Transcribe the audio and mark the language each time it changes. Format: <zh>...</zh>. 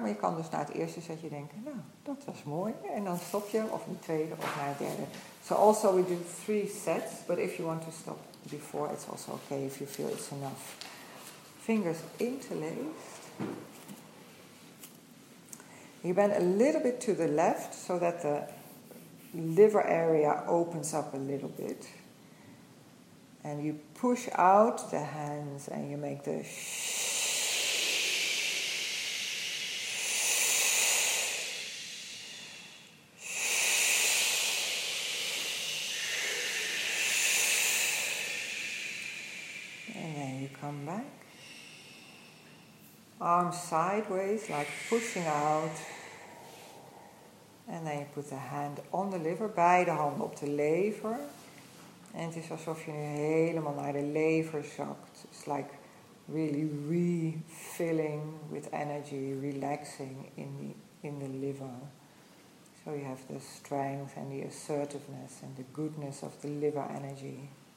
<nl>Maar je kan dus na het eerste setje denken, nou, dat was mooi. En dan stop je, of een tweede, of naar het derde.</nl> <en>So also we do three sets. But if you want to stop before, it's also okay if you feel it's enough. Fingers interlaced. You bend a little bit to the left so that the liver area opens up a little bit. And you push out the hands and you make the shh. And then you come back. Arms sideways, like pushing out. And then you put the hand on the liver,</en> <nl>beide handen op de lever. En het is alsof je nu helemaal naar de lever zakt.</nl> <en>It's like really refilling with energy, relaxing in the liver. So you have the strength and the assertiveness and the goodness of the liver energy.</en>